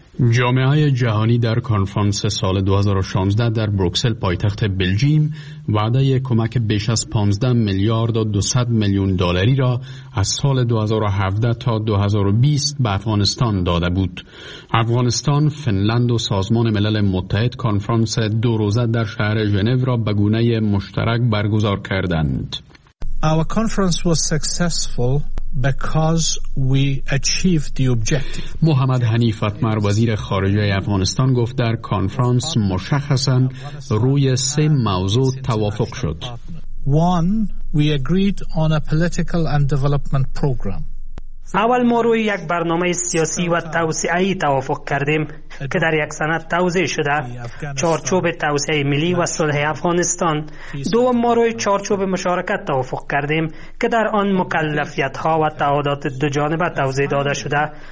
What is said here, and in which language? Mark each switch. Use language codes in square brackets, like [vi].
[fa] جامعه جهانی در کنفرانس سال 2016 در بروکسل پایتخت بلژیم وعده کمک بیش از 15 میلیارد و 200 میلیون دلاری را از سال 2017 تا 2020 به افغانستان داده بود. افغانستان، فنلند و سازمان ملل متحد کنفرانس 2 روزه در شهر ژنو را به گونه مشترک برگزار کردند. [en] Our conference was successful because we achieved the objective. [fa] محمد حنیف اطمر، وزیر خارجه افغانستان، گفت در کنفرانس مشخصاً روی 3 موضوع توافق شد. [en] One, we agreed on a political and development program. [fa] اول، ما روی یک برنامه سیاسی و توسعه‌ای توافق کردیم که در یک سند توضیح شده، چارچوب توسعه ملی و صلح افغانستان. دوم، ما روی چارچوب مشارکت توافق کردیم که در آن مکلفیت‌ها و تعهدات دو جانبه توضیح داده شده.